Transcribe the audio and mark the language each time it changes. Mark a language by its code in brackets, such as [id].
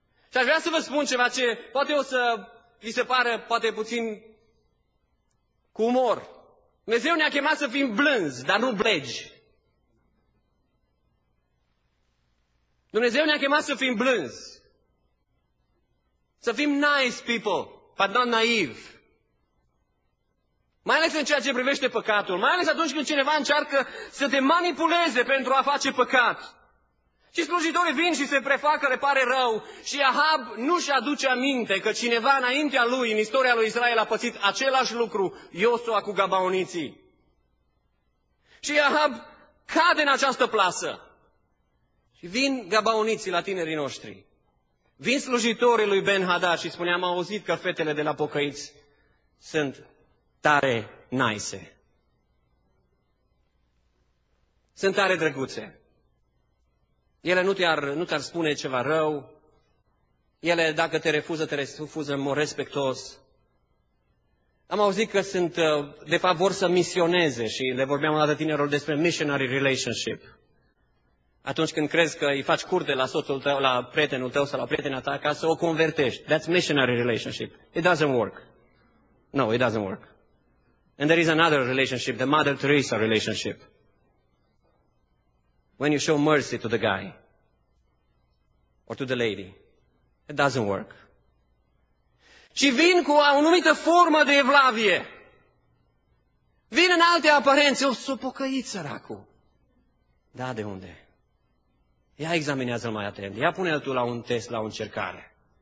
[ro] Și aș vrea să vă spun ceva ce poate o să vi se pară, poate puțin cu umor. Dumnezeu ne-a chemat să fim blânzi, dar nu blegi. Dumnezeu ne-a chemat să fim blânzi. Să fim [en] nice people, but not naive. [ro] Mai ales în ceea ce privește păcatul. Mai ales atunci când cineva încearcă să te manipuleze pentru a face păcat. Și slujitorii vin și se prefacă, le pare rău. Și Ahab nu și-aduce aminte că cineva înaintea lui, în istoria lui Israel, a pățit același lucru, Iosua cu gabaoniții. Și Ahab cade în această plasă. Și vin gabaoniții la tinerii noștri. Vin slujitorii lui Ben-Hadad și spuneam, am auzit că fetele de la pocăiți sunt tare nice. Sunt tare drăguțe. Ele nu te-ar spune ceva rău, ele dacă te refuză, te refuză în mod respectos. Am auzit că sunt, de fapt vor să misioneze și le vorbeam o dată tinerilor despre missionary relationship. Atunci când crezi că îi faci curte la soțul tău, la prietenul tău sau la prietena ta ca să o convertești. [en] That's missionary relationship. It doesn't work. No, it doesn't work. And there is another relationship, the Mother Teresa relationship. When you show mercy to the guy or to the lady, it doesn't work. [ro] Și vin cu o anumită formă de evlavie. Vin în alte aparențe. O s-o pocăit săracul. Da, de unde? Ia examinează-l mai atent. Ia pune-l tu la un test, la o încercare.